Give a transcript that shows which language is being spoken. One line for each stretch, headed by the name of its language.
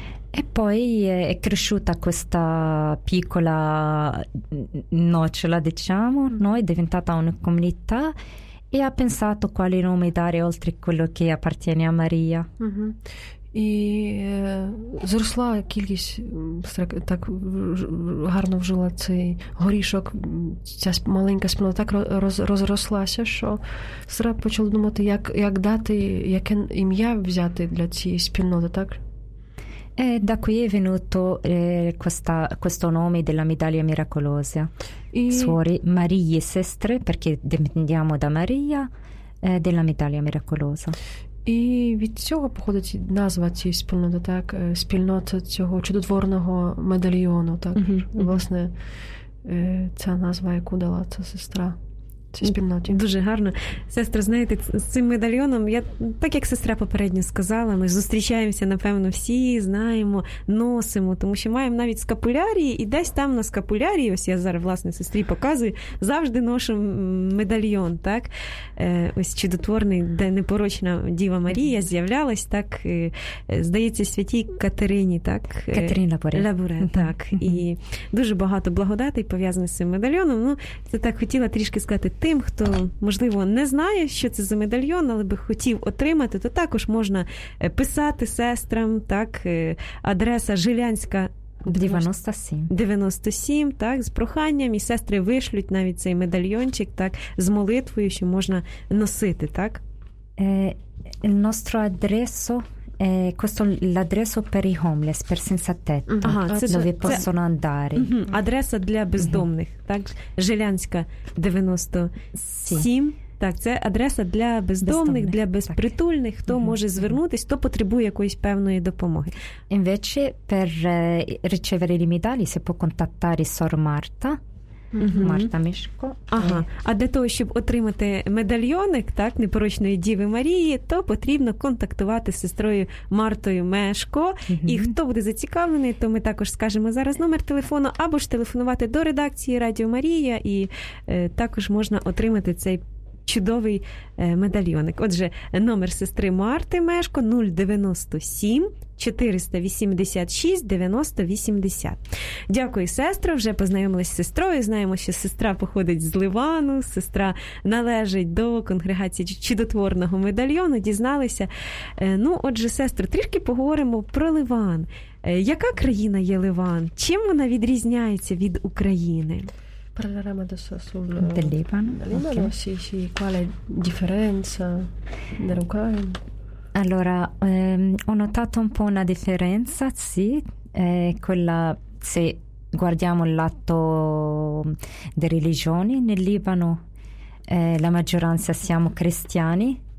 Italian: E poi è cresciuta questa piccola nocciola, diciamo, è diventata una comunità e ha pensato quale nome dare oltre quello che appartiene a Maria.
Ukrainian: І зросла кількість, так гарно вжила цей горішок, ця маленька спільнота так розрослася, що сестра почала думати, як дати, яке ім'я взяти для цієї спільноти, так?
Italian: E da qui è venuto questo nome della medaglia miracolosa. Suore Marie Sestre, perché dipendiamo da Maria, della medaglia miracolosa.
Ukrainian: І від цього походить назва цієї спільноти, так? Спільнота цього чудотворного медальйону, так? Власне, ця назва, яку дала ця сестра. Дуже гарно. Сестра, знаєте, з цим медальйоном, я, так як сестра попередньо сказала, ми зустрічаємося, напевно, всі, знаємо, носимо, тому що маємо навіть скапулярії, і десь там на скапулярії, ось я зараз, власне, сестрі показую, завжди ношу медальйон, так? Ось чудотворний, де непорочна Діва Марія з'являлась, так? Здається, святій Катерині, так? Катерина Лабуре. Так. І дуже багато благодатей пов'язано з цим медальйоном. Ну, це так, хотіла трішки сказати тим, хто, можливо, не знає, що це за медальйон, але би хотів отримати, то також можна писати сестрам, так, адреса Жилянська 97, так, з проханням, і сестри вишлють навіть цей медальйончик, так, з молитвою, що можна носити, так?
Italian: Il nostro adreso questo l'adreso per i homeless, per senza tetto, dove possono andare.
Ukrainian: Адреса для бездомних, так? Жилянська 97. Так, це адреса для бездомних, для безпритульних, хто може звернутися, хто потребує якоїсь певної допомоги.
Italian: Invece per ricevere le medaglie si può contattare Sor Marta.
Ukrainian: Марта Мішко. Ага. А для того, щоб отримати медальйоник, так, непорочної Діви Марії, то потрібно контактувати з сестрою Мартою Мешко. І хто буде зацікавлений, то ми також скажемо зараз номер телефону, або ж телефонувати до редакції Радіо Марія, і також можна отримати цей чудовий медальйоник. Отже, номер сестри Марти Мешко 097-486-9080. Дякую, сестра. Вже познайомилась з сестрою. Знаємо, що сестра походить з Ливану, сестра належить до конгрегації чудотворного медальйону. Дізналися. Ну, отже, сестра, трішки поговоримо про Ливан. Яка країна є Ливан? Чим вона відрізняється від України?
Italian: Parleremo adesso sul del Libano. Sì. Quale differenza dell'Ucraina? Allora, ho notato un po' una differenza, sì. Quella, se guardiamo il lato delle religioni, nel Libano la maggioranza siamo cristiani,